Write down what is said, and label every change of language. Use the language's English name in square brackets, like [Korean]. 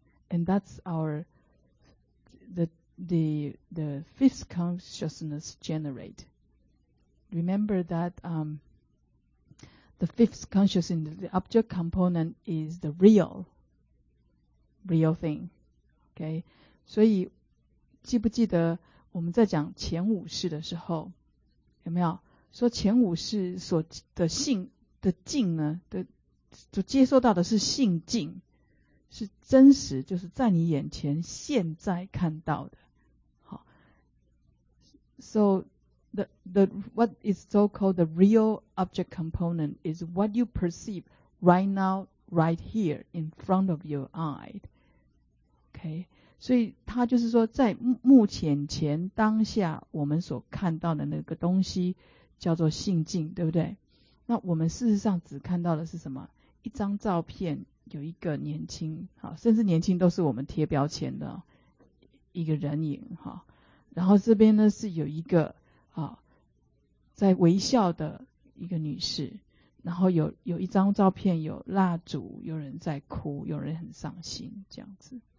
[English] And that's the fifth consciousness generate. Remember that the fifth consciousness, the object component is the real thing. Okay? [Chinese] 所以, 记不记得, 我们在讲前五识的时候, 有没有? 说前五识所的性的境呢, 所接受到的是性境, 是真实, 就是在你眼前, 现在看到的。 [English] 好, so, what is so called the real object component is what you perceive right now, right here, in front of your eye. Okay? [Chinese] 所以它就是说, 在目前前, 当下我们所看到的那个东西, 叫做性境, 对不对? 那我们事实上只看到的是什么?一张照片, 有一个年轻, 好, 甚至年轻都是我们贴标签的, 一个人影, 好, 然后这边呢, 是有一个, 好, 在微笑的一个女士, 然后有一张照片, 有蜡烛, 有人在哭, 有人很伤心, 这样子。